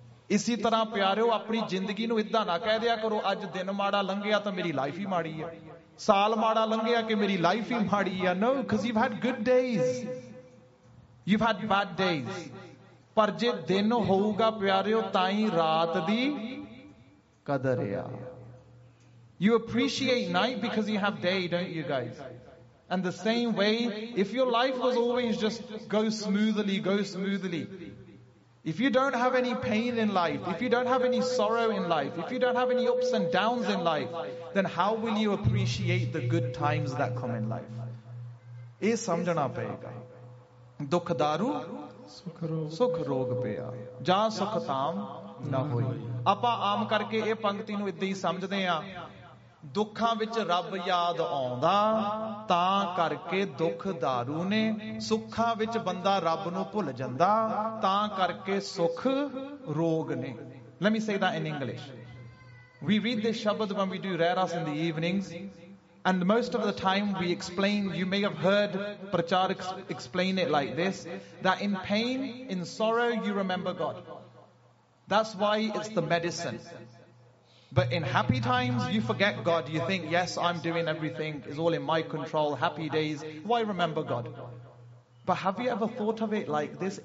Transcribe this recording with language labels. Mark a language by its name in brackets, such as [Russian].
[Punjabi] ਇਸੇ ਤਰ੍ਹਾਂ ਪਿਆਰਿਓ, ਆਪਣੀ ਜ਼ਿੰਦਗੀ ਨੂੰ ਇੱਦਾਂ ਨਾ ਕਹਿ ਦਿਆ ਕਰੋ ਅੱਜ ਦਿਨ ਮਾੜਾ ਲੰਘਿਆ ਤਾਂ ਮੇਰੀ ਲਾਈਫ ਹੀ ਮਾੜੀ ਹੈ, ਸਾਲ ਮਾੜਾ ਲੰਘਿਆ ਕਿ ਮੇਰੀ ਲਾਈਫ ਹੀ ਮਾੜੀ ਆ। [English] No, because you had good days, you had bad days. [Punjabi] ਪਰ ਜੇ ਦਿਨ ਹੋਊਗਾ ਪਿਆਰਿਓ ਤਾਂ ਹੀ ਰਾਤ ਦੀ ਕਦਰ ਆ। [English] You appreciate night because you have day, don't you guys? And the same way, if your life was always just go smoothly, if you don't have any pain in life, if you don't have any sorrow in life, if you don't have any ups and downs in life, then how will you appreciate the good times that come in life? [Punjabi] ਇਹ ਸਮਝਣਾ ਪਏਗਾ। ਦੁੱਖ ਦਾਰੂ ਸੁਖ ਰੋਗ ਪਿਆ ਜਾਂ ਸੁਖ ਤਾਮ ਨਾ ਹੋਈ। ਆਪਾਂ ਆਮ ਕਰਕੇ ਇਹ ਪੰਕਤੀ ਨੂੰ ਇੱਦਾਂ ਹੀ ਸਮਝਦੇ ਹਾਂ, ਦੁੱਖਾਂ ਵਿੱਚ ਰੱਬ ਯਾਦ ਆਉਂਦਾ ਤਾਂ ਕਰਕੇ ਦੁੱਖ ਦਾਰੂ ਨੇ, ਸੁੱਖਾਂ ਵਿੱਚ ਬੰਦਾ ਰੱਬ ਨੂੰ ਭੁੱਲ ਜਾਂਦਾ ਤਾਂ ਕਰਕੇ ਸੁੱਖ ਰੋਗ ਨੇ। [English] Let me say that in English, we read this shabad when we do Rehras in the evenings, and most of the time we explain, you may have heard pracharak explain it like this, that in pain in sorrow you remember God, that's why it's the medicine. But in happy times, you forget God. You think, yes, I'm doing everything. It's all in my control. Happy days. Why remember God? But have you ever thought of it like this?